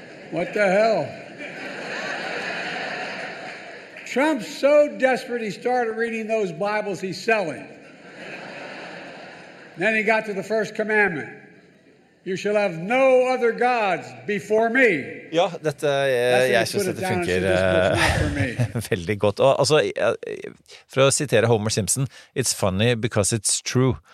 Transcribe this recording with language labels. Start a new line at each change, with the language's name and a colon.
English: What the hell? Trump's so desperate he started reading those Bibles he's selling. Then he got to the first commandment. You shall have no other gods before me.
Norwegian: Ja, dette, jeg synes dette funker veldig godt. Og, altså, for å sitere Homer Simpson,
English: it's funny because it's true.